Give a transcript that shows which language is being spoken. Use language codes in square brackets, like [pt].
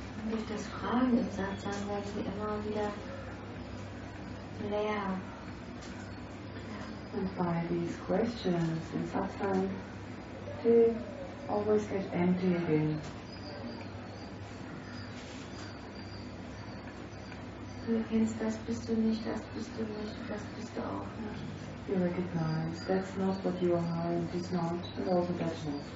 [de] Durch das Fragen im Satz werden sie immer wieder leer. [en] And by these questions in Satsang, they always get empty again. [de] Du erkennst, das bist du nicht, das bist du nicht, das bist du auch nicht. [en] You recognize, that's not what you are, it is not, and also that's not.